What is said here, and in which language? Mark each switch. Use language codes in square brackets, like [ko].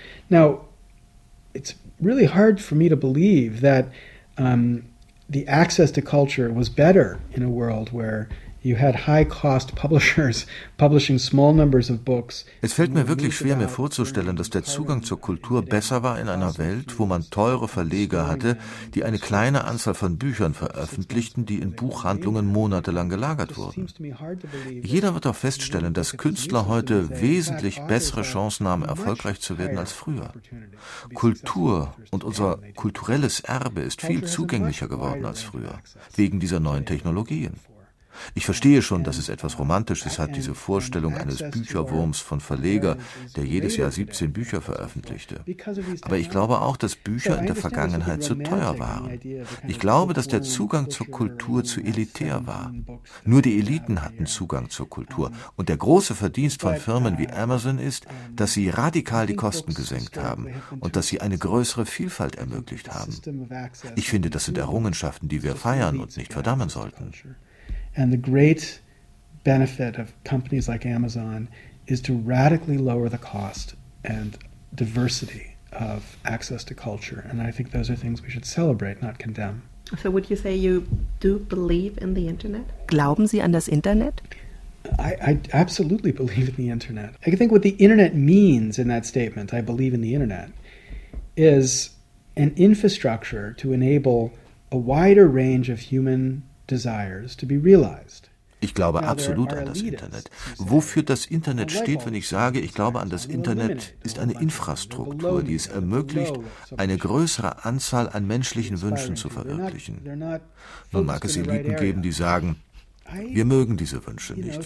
[en] Now, it's really hard for me to believe that the access to culture was better in a world where you had high-cost publishers publishing small numbers of books. [de] Es fällt mir wirklich schwer, mir vorzustellen, dass der Zugang zur Kultur besser war in einer Welt, wo man teure Verleger hatte, die eine kleine Anzahl von Büchern veröffentlichten, die in Buchhandlungen monatelang gelagert wurden. Jeder wird auch feststellen, dass Künstler heute wesentlich bessere Chancen haben, erfolgreich zu werden als früher. Kultur und unser kulturelles Erbe ist viel zugänglicher geworden als früher, wegen dieser neuen Technologien. Ich verstehe schon, dass es etwas Romantisches hat, diese Vorstellung eines Bücherwurms von Verleger, der jedes Jahr 17 Bücher veröffentlichte. Aber ich glaube auch, dass Bücher in der Vergangenheit zu teuer waren. Ich glaube, dass der Zugang zur Kultur zu elitär war. Nur die Eliten hatten Zugang zur Kultur. Und der große Verdienst von Firmen wie Amazon ist, dass sie radikal die Kosten gesenkt haben und dass sie eine größere Vielfalt ermöglicht haben. Ich finde, das sind Errungenschaften, die wir feiern und nicht verdammen sollten. [en] And the great benefit of companies like Amazon is to radically lower the cost and diversity of access to culture. And I think those are things we should celebrate, not condemn. So would you say you do believe in the internet? [de] Glauben Sie an das Internet? [en] I absolutely believe in the internet. I think what the internet means in that statement, I believe in the internet, is an infrastructure to enable a wider range of human desires to be realized. [de] Ich glaube absolut an das Internet. Wofür das Internet steht, wenn ich sage, ich glaube an das Internet, ist eine Infrastruktur, die es ermöglicht, eine größere Anzahl an menschlichen Wünschen zu verwirklichen. Nun mag es Eliten geben, die sagen, wir mögen diese Wünsche nicht.